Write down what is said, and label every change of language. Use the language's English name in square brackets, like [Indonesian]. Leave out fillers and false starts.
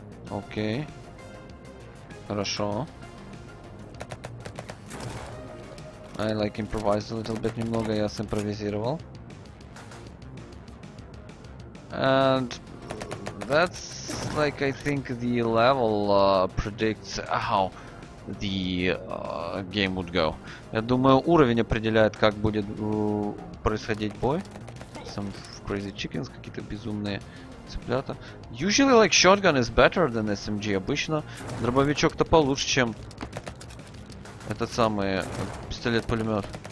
[Russian] Окей. Хорошо. [English] I like improvised a little bit. [Russian] Немного я симпровизировал. [English] And that's like I think the level predicts how the game would go. [Russian] Я думаю, уровень определяет, как будет происходить бой. [English] Some crazy chickens, [Russian] какие-то безумные цыплята. [English] Usually like shotgun is better than SMG. [Russian] Обычно дробовичок-то получше, чем этот самый пистолет-пулемет.